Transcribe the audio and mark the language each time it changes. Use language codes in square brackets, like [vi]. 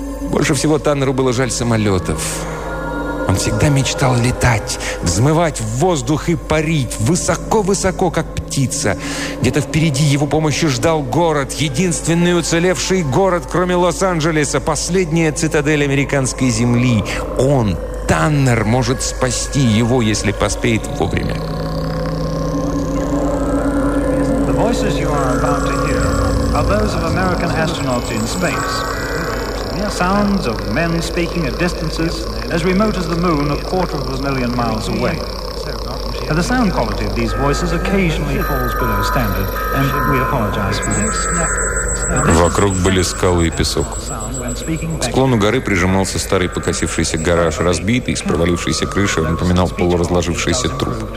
[ru] Больше всего Таннеру было жаль самолетов. Он всегда мечтал летать, взмывать в воздух и парить высоко-высоко, как птица. Где-то впереди его помощи ждал город, единственный уцелевший город, кроме Лос-Анджелеса, последняя цитадель американской земли. Он, Таннер, может спасти его, если поспеет вовремя. [en] The voices you are about to hear are those of American astronauts in space. Sounds of men speaking at distances as remote as the moon, a quarter of a million miles away. The sound quality of these voices occasionally falls below standard, and we apologize for this. [ru] Вокруг были скалы и песок. К склону горы прижимался старый покосившийся гараж, разбитый, с провалившейся крышей, он напоминал полуразложившийся труп.